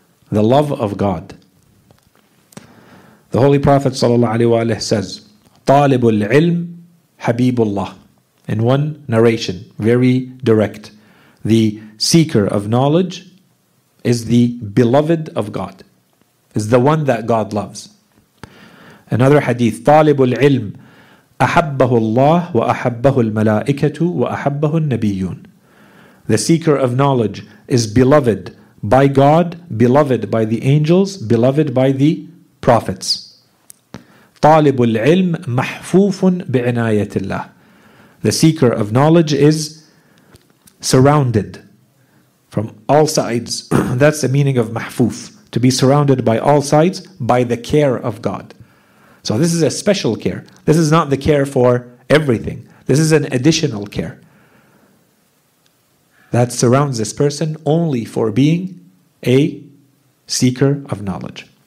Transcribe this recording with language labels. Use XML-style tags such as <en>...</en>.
<en>The love of God. The Holy Prophet sallallahu alaihi wa alihi says,</en> <ar>طالب العلم حبيب الله.</ar> <en>In one narration, very direct. The seeker of knowledge is the beloved of God, is the one that God loves. Another hadith,</en> <ar>طالب العلم أحبه الله وأحبه الملائكة وأحبه النبيون.</ar> <en>The seeker of knowledge is beloved by God, beloved by the angels, beloved by the prophets.</en> <ar>طالب العلم محفوف بعناية الله.</ar> <en>The seeker of knowledge is surrounded from all sides. That's the meaning of mahfuf, to be surrounded by all sides by the care of God. So this is a special care. This is not the care for everything. This is an additional care that surrounds this person only for being a seeker of knowledge.</en>